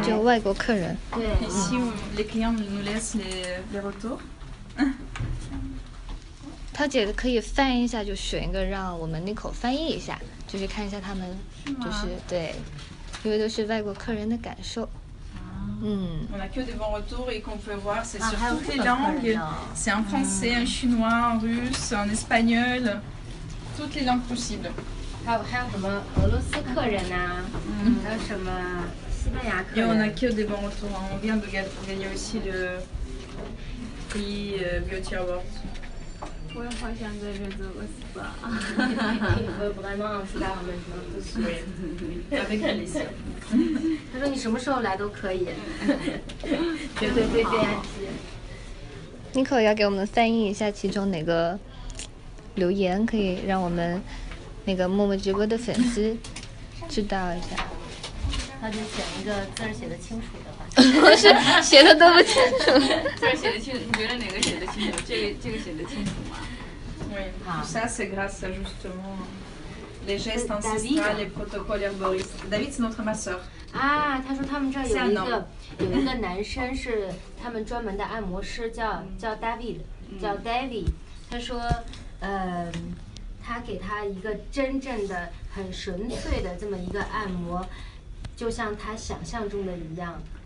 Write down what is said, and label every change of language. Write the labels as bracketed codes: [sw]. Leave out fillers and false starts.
[zh] 就外国客人。对， [fr] ici les clients nous laissent les retours。 [zh] 他姐可以翻一下，就选一个让我们Nico翻译一下，就是看一下他们，就是对，因为都是外国客人的感受。嗯。 [fr] On a que des bons retours et qu'on peut voir, c'est sur toutes les langues. C'est en français, en chinois, en russe, en espagnol, toutes les langues possibles. [zh] 还有什么俄罗斯客人还有什么西班牙客人？因为我们还有很多人，我们也得到了 Beauty Award。我也好想在这做个 SPA。哈哈哈哈哈。他说你什么时候来都可以。绝对对对。 Nico 要给我们翻译一下其中哪个留言，可以让我们。那个默默直播的粉丝知道一下，他就选一个字写的清楚的吧。不是写的都不清楚。字写的清，你觉得哪个写的清楚？这个写的清楚吗？ [fr] 对，c'est grâce justement les gestes ancestrales, les protocoles herboristes. David, c'est notre masseur. [zh] 啊，他说他们这有一个男生是他们专门的按摩师，叫 David， 叫 David。他说，他给他一个真正的很纯粹的这么一个按摩，就像他想象中的一样。